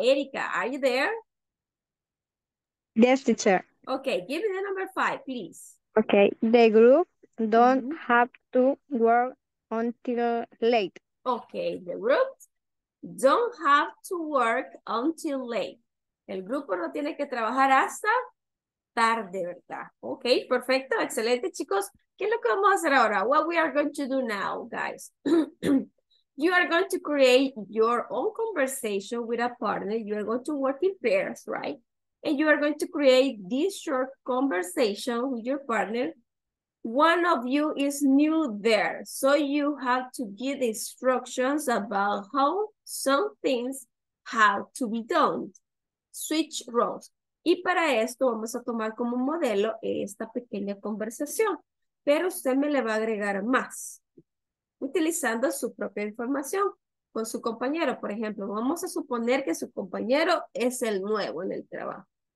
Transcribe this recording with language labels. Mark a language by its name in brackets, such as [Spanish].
[English] Erika, are you there? Yes, teacher. Okay, give me the number five, please. Okay, the group don't have to work until late. Okay, the group don't have to work until late. [Spanish] El grupo no tiene que trabajar hasta tarde, ¿verdad? Okay, perfecto, excelente, chicos. ¿Qué es lo que vamos a hacer ahora? [English] What we are going to do now, guys? You are going to create your own conversation with a partner. You are going to work in pairs, right? And you are going to create this short conversation with your partner. One of you is new there, so you have to give instructions about how some things have to be done. Switch roles. [Spanish] Y para esto vamos a tomar como modelo esta pequeña conversación. Pero usted me le va a agregar más, utilizando su propia información con su compañero. Por ejemplo, vamos a suponer que su compañero es el nuevo en el trabajo.